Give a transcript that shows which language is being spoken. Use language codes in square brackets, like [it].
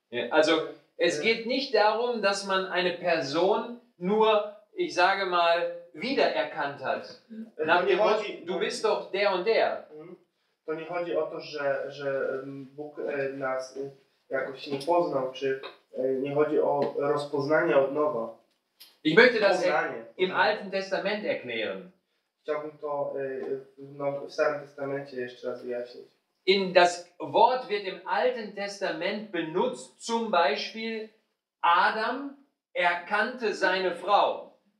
[de] Also, es geht nicht darum, dass man eine Person nur, ich sage mal, wiedererkannt hat. Du bist doch der und der. [pl] To nie chodzi o to, że Bóg nas jakoś nie poznał, czy nie chodzi o rozpoznanie od nowa. [de] Ich möchte das im Alten Testament erklären. [pl] Chciałbym to w Starym Testamencie jeszcze raz wyjaśnić. [de] In das Wort wird im Alten Testament benutzt, zum Beispiel Adam erkannte seine Frau.